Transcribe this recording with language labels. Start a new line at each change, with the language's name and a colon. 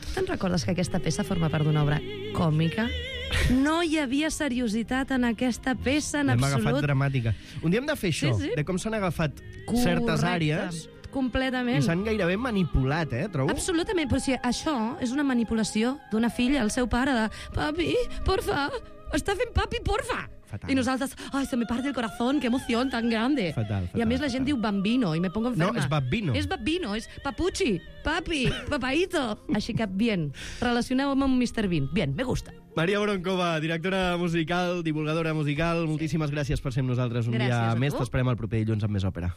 Catalan: Tu te'n recordes que aquesta peça forma part d'una obra còmica? No hi havia seriositat en aquesta peça en absolut. L'hem agafat dramàtica. Un dia hem de fer això, sí, sí. De com s'han agafat correcte, certes àrees... Completament. I s'han gairebé manipulat, trobo? Absolutament, però si això és una manipulació d'una filla al seu pare de... Papi, porfa, està fent papi, porfa! Fatal. I nosaltres,
Spanish: ay, se me parte el corazón, qué emoción tan grande.
Catalan: Fatal. I a més la gent diu bambino, i
Spanish: me pongo enferma.
Catalan: No, és babino. És babino, és papucci, papi, papaito. Així que, bien, relacioneu-me amb Mr.
Spanish: Bean. Bien, me gusta.
Catalan: Maria Broncova, directora musical, divulgadora musical, sí. Moltíssimes gràcies per ser amb nosaltres un gràcies dia més. T'esperem el proper dilluns amb més òpera.